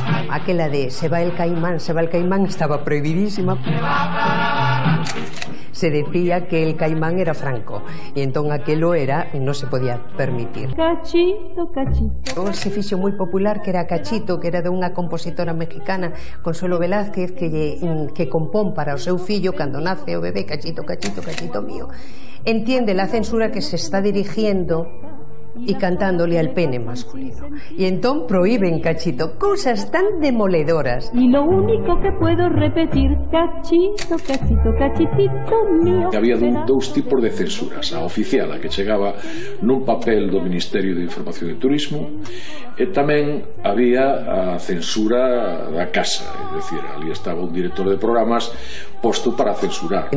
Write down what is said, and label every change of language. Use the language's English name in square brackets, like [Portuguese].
[Galician] Aquela de [Spanish] se va el caimán, se va el caimán, estaba prohibidísima. Se decía que el caimán era Franco y [Galician] entón aquelo era, [Spanish] no se podía permitir. Cachito, cachito, cachito. [Galician] Ese fixo moi popular que era Cachito, que era de unha compositora mexicana, Consuelo Velázquez, que compón para o seu fillo cando nace o bebé, Cachito, Cachito, Cachito mío. [Spanish] Entiende la censura que se está dirigiendo y cantándole al pene masculino. Y entón prohíben Cachito, cosas tan demoledoras. Y lo único que puedo repetir, Cachito, Cachito, Cachitito mío. [Galician] Que había dous tipos de censuras, a oficial, a que chegaba nun papel do Ministerio de Información e Turismo, e tamén había a censura da casa, es decir, ali estaba un director de programas posto para censurar.